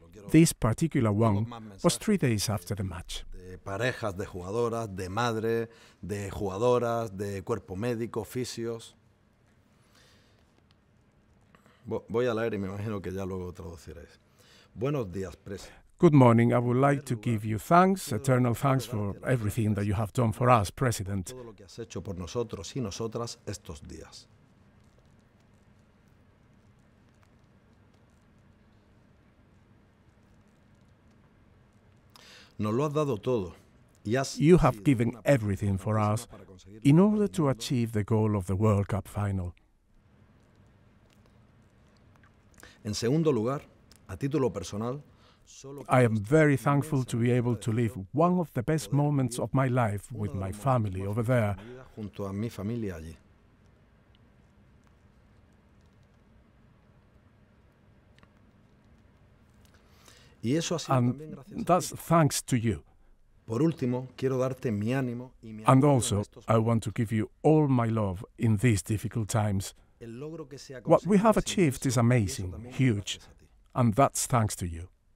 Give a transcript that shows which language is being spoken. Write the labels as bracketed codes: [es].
[en] This particular one was 3 days after the match. [es] Parejas de jugadoras, de madre, de jugadoras, de cuerpo médico, fisios. Voy a leer y me imagino que ya luego traduciréis. Buenos días, Presi. [en] Good morning. I would like to give you thanks, eternal thanks, for everything that you have done for us, President. [es] Todo lo que has hecho por nosotros y nosotras estos días. Nos lo has dado todo. [en] You have given everything for us in order to achieve the goal of the World Cup final. [es] En segundo lugar, a título personal, [en] I am very thankful to be able to live one of the best moments of my life with my family over there. [es] Junto a mi familia allí. Y eso ha sido también gracias a ti. [en] And that's thanks to you. [es] Por último, quiero darte mi ánimo y mi [en] And also, I want to give you all my love in these difficult times. What we have achieved is amazing, huge, and that's thanks to you.